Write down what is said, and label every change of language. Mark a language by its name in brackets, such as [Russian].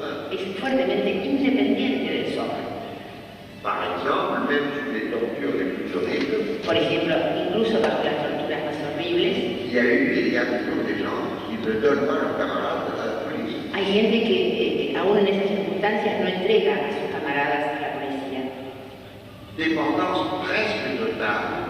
[Spanish] Es fuertemente independiente del soma. [French] Par exemple, même sous les tortures les plus horribles. [Spanish] Por ejemplo, incluso bajo las torturas más horribles. [French] Il y a toujours des gens qui ne donnent pas leurs camarades à la police. [Spanish] Hay gente que aún en esas circunstancias no entrega a sus camaradas a la policía. [French] Dépendance presque totale.